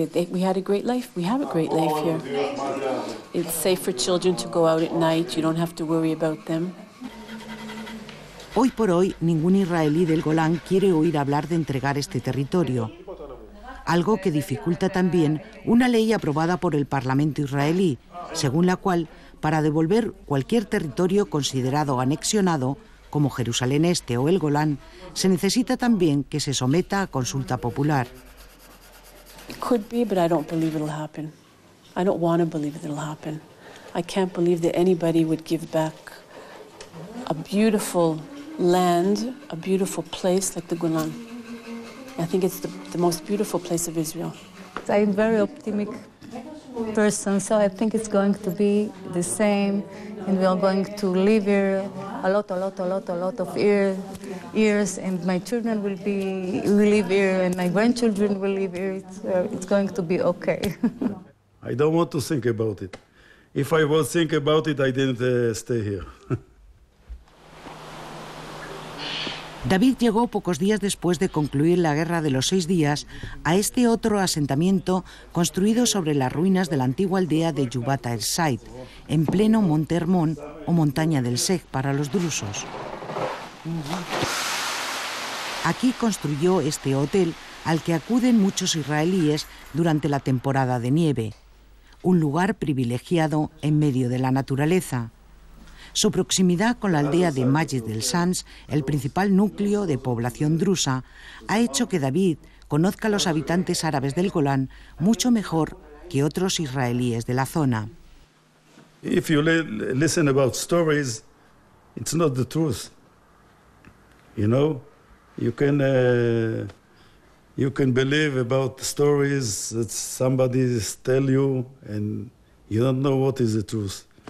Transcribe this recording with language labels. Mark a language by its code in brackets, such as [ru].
[en] We had a great life. We have a great life here. It's safe for children to go out at night. You don't have to worry about them. [es] Hoy por hoy, ningún israelí del Golán quiere oír hablar de entregar este territorio. Algo que dificulta también una ley aprobada por el Parlamento israelí, según la cual, para devolver cualquier territorio considerado anexionado, como Jerusalén Este o el Golán, se necesita también que se someta a consulta popular. [en] It could be, but I don't believe it'll happen. I don't want to believe it'll happen. I can't believe that anybody would give back a beautiful land, a beautiful place like the Golan. I think it's the most beautiful place of Israel. I'm a very optimistic person, so I think it's going to be the same, and we are going to live here a lot of years, and my children will live here, and my grandchildren will live here. It's going to be okay. I don't want to think about it. If I was think about it, I didn't stay here. [es] David llegó pocos días después de concluir la Guerra de los Seis Días a este otro asentamiento construido sobre las ruinas de la antigua aldea de Yubat el-Said, en pleno Monte Hermón o Montaña del Sheikh para los drusos. Aquí construyó este hotel al que acuden muchos israelíes durante la temporada de nieve, un lugar privilegiado en medio de la naturaleza. Su proximidad con la aldea de Majid el-Shams, el principal núcleo de población drusa, ha hecho que David conozca a los habitantes árabes del Golán mucho mejor que otros israelíes de la zona. [en] If you listen about stories, it's not the truth. You know, you can believe about stories that somebody tell you and you don't know what is the truth.